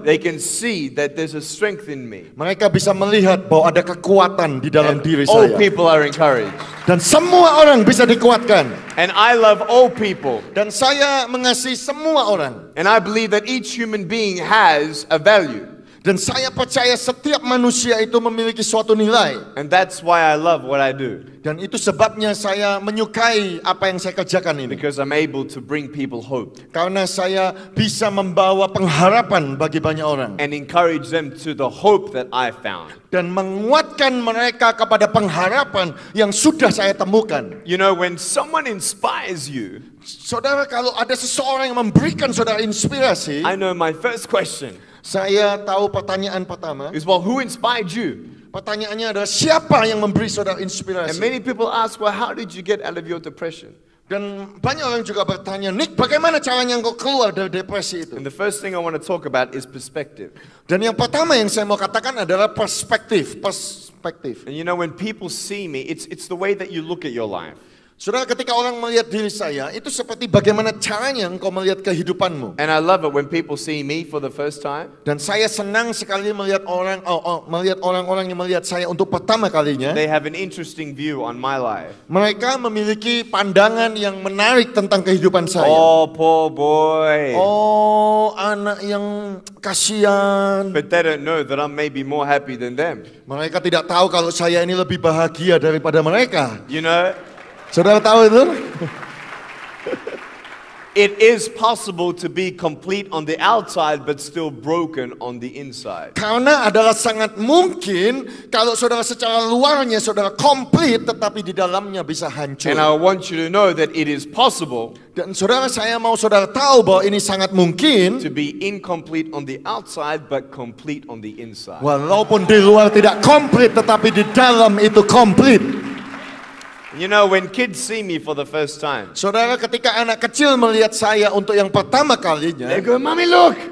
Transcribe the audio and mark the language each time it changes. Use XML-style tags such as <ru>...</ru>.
<en>They can see that there's a strength in me.</en> <id>Mereka bisa melihat bahwa ada kekuatan di dalam</id> <en>and</en> <id>diri</id> <en>all</en> <id>saya.</id> <en>All people are encouraged.</en> <id>Dan semua orang bisa dikuatkan.</id> <en>And I love all people.</en> <id>Dan saya mengasihi semua orang.</id> <en>And I believe that each human being has a value.</en> <id>Dan saya percaya setiap manusia itu memiliki suatu nilai.</id> <en>And that's why I love what I do.</en> <id>Dan itu sebabnya saya menyukai apa yang saya kerjakan ini.</id> <en>Because I'm able to bring people hope.</en> <id>Karena saya bisa membawa pengharapan bagi banyak orang.</id> <en>And encourage them to the hope that I found.</en> <id>Dan menguatkan mereka kepada pengharapan yang sudah saya temukan.</id> <en>You know, when someone inspires you,</en> <id>saudara, kalau ada seseorang yang memberikan saudara inspirasi,</id> <en>I know my first question.</en> <id>Saya tahu pertanyaan pertama.</id> <en>Is, well, who inspired you?</en> <id>Pertanyaannya adalah siapa yang memberi saudara inspirasi?</id> <en>And many people ask, well, how did you get out of your depression?</en> <id>Dan banyak orang juga bertanya, Nick, bagaimana caranya engkau keluar dari depresi itu?</id> <en>And the first thing I want to talk about is perspective.</en> <id>Dan yang pertama yang saya mau katakan adalah perspektif. Perspektif.</id> <en>And you know, when people see me, it's the way that you look at your life.</en> <id>Saudara, ketika orang melihat diri saya, itu seperti bagaimana caranya engkau melihat kehidupanmu.</id> <en>And I love it when people see me for the first time.</en> <id>Dan saya senang sekali melihat orang, melihat orang-orang yang melihat saya untuk pertama kalinya.</id> <en>They have an interesting view on my life.</en> <id>Mereka memiliki pandangan yang menarik tentang kehidupan saya.</id> <en>Oh, poor boy.</en> <id>Oh, anak yang kasihan.</id> <en>But they don't know that I'm maybe more happy than them.</en> <id>Mereka tidak tahu kalau saya ini lebih bahagia daripada mereka.</id> <en>You know,</en> <id>saudara tahu itu?</id> <en>It is possible to be complete on the outside but still broken on the inside.</en> <id>Karena adalah sangat mungkin kalau saudara secara luarnya saudara complete tetapi di dalamnya bisa hancur.</id> <en>And I want you to know that it is possible.</en> <id>Dan saudara, saya mau saudara tahu bahwa ini sangat mungkin.</id> <en>To be incomplete on the outside but complete on the inside.</en> <id>Walaupun di luar tidak complete tetapi di dalam itu complete.</id> <en>You know, when kids see me for the first time.</en> <id>Saudara, ketika anak kecil melihat saya untuk yang pertama kalinya.</id> <en>They go, "Mommy, look."</en>